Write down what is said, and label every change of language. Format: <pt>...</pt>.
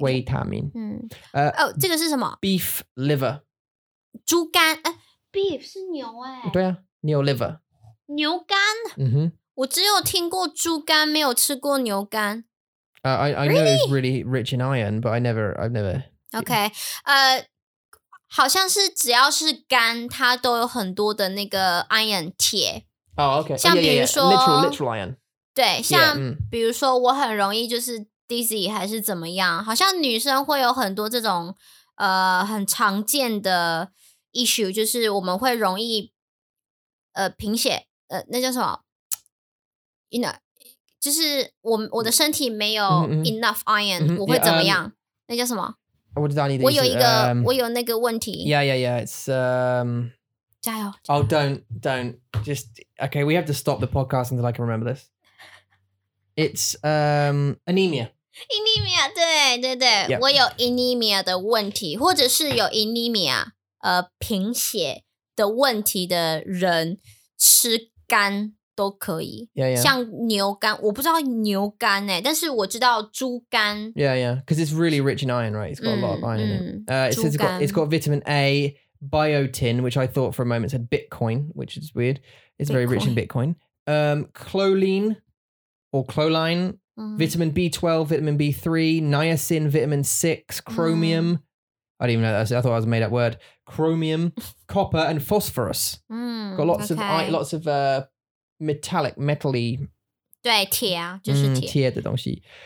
<zh>维他命。嗯。哦，这个是什么？</zh> <en>Beef liver.</en> <zh>猪肝？beef 是牛哎。对啊，牛</zh> <en>liver.</en> <zh>牛肝？嗯哼。我只有听过猪肝，没有吃过牛肝。</zh> <en>I know it's really rich in iron, but I've never. Okay.</en> <zh>好像是只要是肝，它都有很多的那个 iron 铁。</zh> <en>Oh, okay.</en> <zh>像比如说</zh> <en>literal iron.</en> <zh>对，像比如说我很容易就是 dizzy 还是怎么样，好像女生会有很多这种很常见的 issue， 就是我们会容易贫血，那叫什么？</zh> <en>You know,</en> <zh>就是我的身体没有</zh> <en>enough iron,</en> <zh>我会怎么样?那叫什么?</zh> <en>What does that need?</en> <zh>我有那个问题。</zh> <en>Yeah, it's...</en> <zh>加油。</zh> <en>Oh, don't. Just, okay, we have to stop the podcast until I can remember this. It's anemia.</en> <zh>Anemia, 对。Yep. 我有anemia的问题, 或者是有anemia贫血的问题的人吃肝。都可以</zh> <en>yeah.</en> <zh>像牛肝 我不知道牛肝欸 但是我知道猪肝</zh> <en>Yeah Because it's really rich in iron right It's got a lot of iron in it it says it's got vitamin A Biotin Which I thought for a moment said Bitcoin Which is weird It's Bitcoin. Very rich in Bitcoin Choline Or choline Vitamin B12 Vitamin B3 Niacin Vitamin 6 Chromium I didn't even know that. I thought that was a made up word Chromium Copper And phosphorus Got lots okay. of Lots of Metallic, metally.</en> <zh>对，铁啊，就是铁。铁的东西。</zh>